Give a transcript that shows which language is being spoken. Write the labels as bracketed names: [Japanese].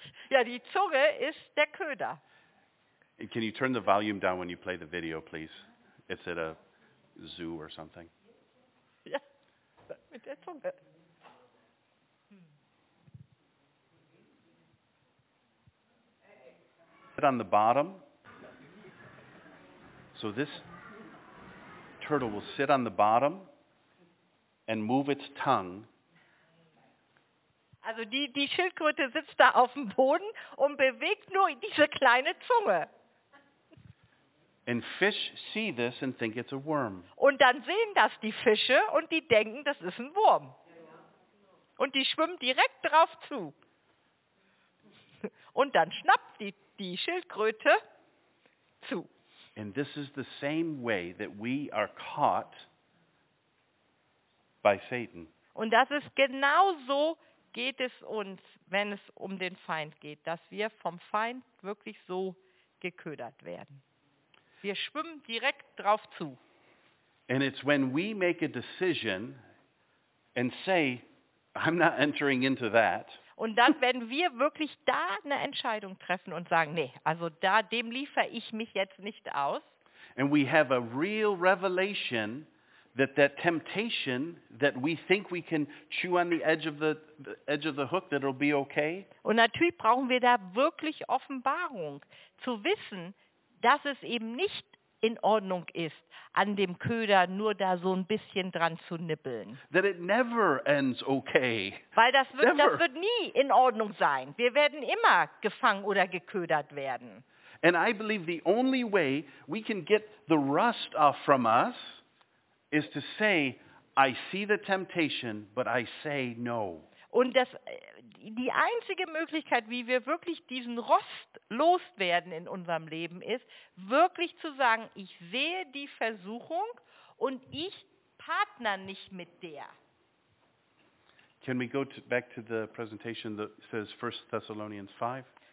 [German] Ja, die Zunge ist der Köder. [English] Can you turn the volume down when you play the video, please? It's at a zoo or something. [German] Ja, mit der Zunge. [English] On the bottom. So this turtle will sit on the bottom and move its tongue. [German] Also die Schildkröte sitzt da auf dem Boden und bewegt nur diese kleine Zunge. [English] And fish see this and think it's a worm. [German] Und dann sehen das die Fische und die denken, das ist ein Wurm. Und die schwimmen direkt drauf zu. Und dann schnappt die Schildkröte zu. [English] And this is the same way that we are caught by Satan. [German] Und das ist genau so, geht es uns, wenn es um den Feind geht, dass wir vom Feind wirklich so geködert werden. Wir schwimmen direkt drauf zu. [English] And it's when we make a decision and say, I'm not entering into that. [German] Und dann, wenn wir wirklich da eine Entscheidung treffen und sagen, nee, also da, dem liefere ich mich jetzt nicht aus. [English] And we have a real revelation that temptation that we think we can chew on the edge of the hook, that it'll be okay. [German] Und natürlich brauchen wir da wirklich Offenbarung, zu wissen, dass es eben nicht in Ordnung ist, an dem Köder nur da so ein bisschen dran zu nippeln. [English] That it never ends okay. [German] Weil das wird nie in Ordnung sein. Wir werden immer gefangen oder geködert werden. [English] And I believe the only way we can get the rust off from us is to say, I see the temptation, but I say no. [German] Und das, die einzige Möglichkeit, wie wir wirklich diesen Rost loswerden in unserem Leben, ist wirklich zu sagen, ich sehe die Versuchung und ich partner nicht mit der. [English] Can we go back to the presentation that says 1 Thessalonians 5?